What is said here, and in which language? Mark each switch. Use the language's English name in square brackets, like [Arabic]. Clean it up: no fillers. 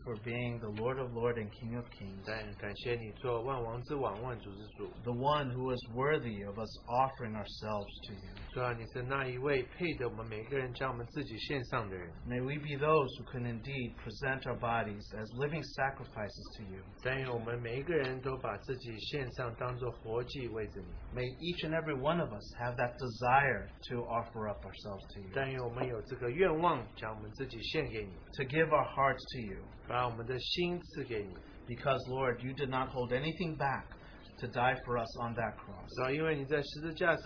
[English] for being the Lord of Lords and King of Kings. The one who is worthy of us offering ourselves to you. [Chinese] 主啊,你是那一位配得我们每个人将我们自己献上的人。 [English] May we be those who can indeed present our bodies as living sacrifices to you. [Chinese] 但愿我们每一个人都把自己献上当作活祭为着你。 [English] May each and every one of us have that desire to offer up ourselves to you. [Chinese] 但愿我们有这个愿望将我们自己献给你。 [English] To give our hearts to you. [Chinese] 把我们的心赐给你。 [English] Because Lord, you did not hold anything back to die for us on that cross.